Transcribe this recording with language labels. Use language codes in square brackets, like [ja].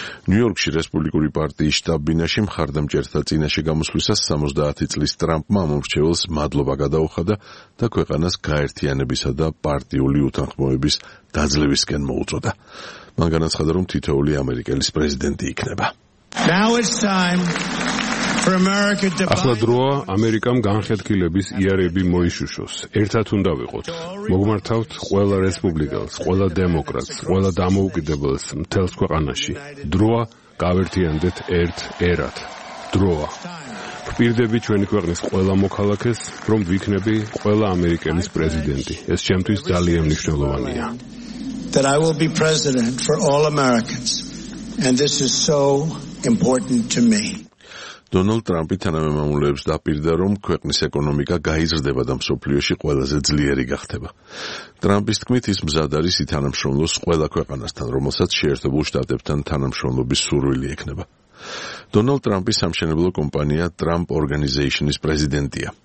[ka] ნიუ-იორკში რესპუბლიკური პარტიის შტაბ-ბინაში მხარდამჭერთა წინაშე გამოსვლისას 70 წლის ტრამპმა მომრჩეველს მადლობა გადაუხადა და ქვეყანას გაერთიანებისა და პარტიული უთანხმოების დაძლევისკენ მოუწოდა. მან განაცხადა, რომ თითოეული ამერიკელის პრეზიდენტი იქნება. [en] Now it's time for America to [ka] ახლა დროა ამერიკამ განხეთქილების იარები მოიშუშოს. ერთად უნდა ვიყოთ. მოგმართავთ ყველა რესპუბლიკელს, ყველა დემოკრატს, ყველა დამოუკიდებელს მთელს ქვეყანაში. დროა გავერთიანდეთ ერთ ერად. დროა. ვპირდები ჩვენი ქვეყნის ყველა მოქალაქეს, რომ ვიქნები ყველა ამერიკელის პრეზიდენტი. ეს ჩემთვის ძალიან მნიშვნელოვანია. [en] That I will be president for all Americans. And this is so important to me. [ka] დონალდ ტრამპი თანამემამულეებს დაპირდა, რომ ქვეყნის ეკონომიკა გაიზრდება და მსოფლიოში ყველაზე ძლიერი გახდება. ტრამპის თქმით, ის მზად არის ითანამშრომლოს ყველა ქვეყანასთან, რომელსაც შეერთებულ შტატებთან თანამშრომლობის სურვილი ექნება. დონალდ ტრამპის სამშენებლო კომპანია ტრამპ ორგანიზეიშნის პრეზიდენტია.